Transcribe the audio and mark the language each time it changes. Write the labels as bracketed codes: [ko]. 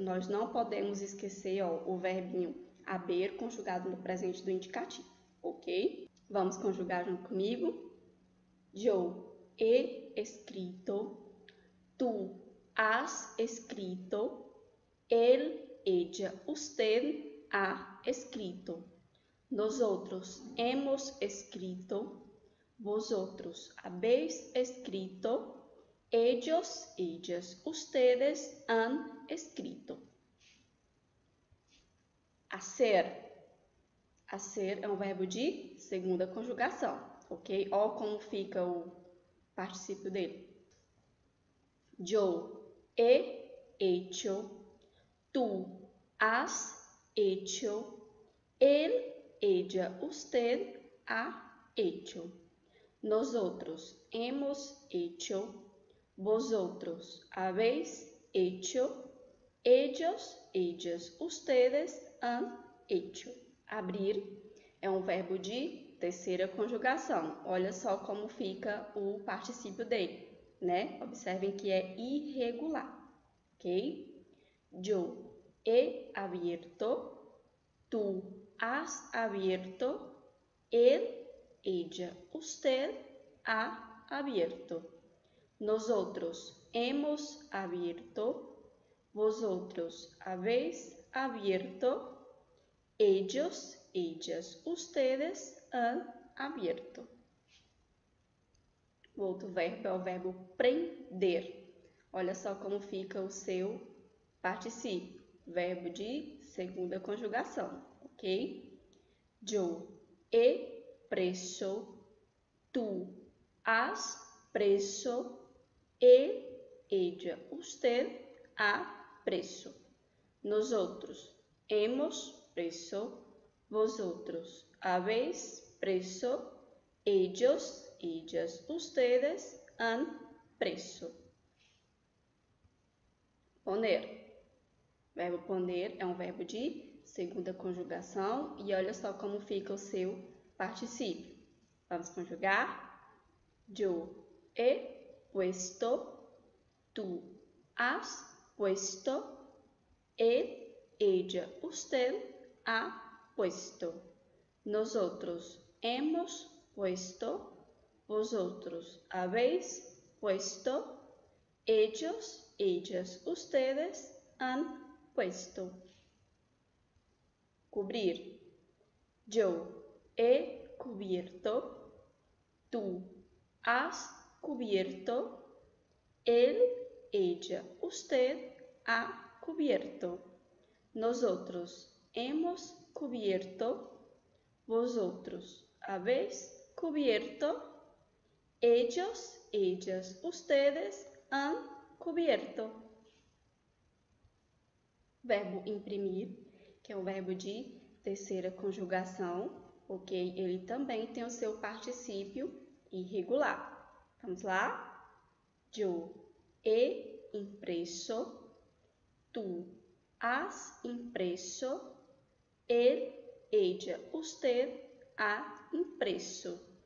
[pt] Nós não podemos esquecer, ó, o verbinho haber conjugado no presente do indicativo, ok? Vamos conjugar junto comigo. [es] Eu he escrito, tu has escrito, ele Ella, usted ha escrito. Nosotros hemos escrito. Vosotros habéis escrito. Ellos, ellas, ustedes han escrito. Hacer. [pt] Hacer é um verbo de segunda conjugação, ok? Ó, como fica o particípio dele. [es] Yo he hecho. Tu has hecho, él, ella, usted ha hecho. Nosotros hemos hecho, vosotros habéis hecho, ellos, ellas, ustedes han hecho. [pt] Abrir é um verbo de terceira conjugação. Olha só como fica o particípio dele, né? Observem que é irregular, ok? [es] Yo he abierto, tú has abierto, él, ella, usted ha abierto. Nosotros hemos abierto, vosotros habéis abierto, ellos, ellas, ustedes han abierto. [pt] O outro verbo é o verbo prender. Olha só como fica o seu particípio. Verbo de segunda conjugação, ok? [es] Yo he preso, tu has preso, él, ella, usted ha preso. Nosotros hemos preso, vosotros habéis preso, ellos, ellas, ustedes han preso. Poner. [pt] Verbo poner é um verbo de segunda conjugação e olha só como fica o seu particípio. Vamos conjugar. [es] Yo he puesto, tú has puesto, él, ella, usted ha puesto. Nosotros hemos puesto, vosotros habéis puesto, ellos, ellas, ustedes han puesto. Cubrir. Yo he cubierto. Tú has cubierto. Él, ella, usted ha cubierto. Nosotros hemos cubierto. Vosotros habéis cubierto. Ellos, ellas, ustedes han cubierto. [pt] Verbo imprimir, que é um verbo de terceira conjugação, ok? Ele também tem o seu particípio irregular. Vamos lá? [es] Yo he impresso, tu has impresso, él, ella, usted ha impresso.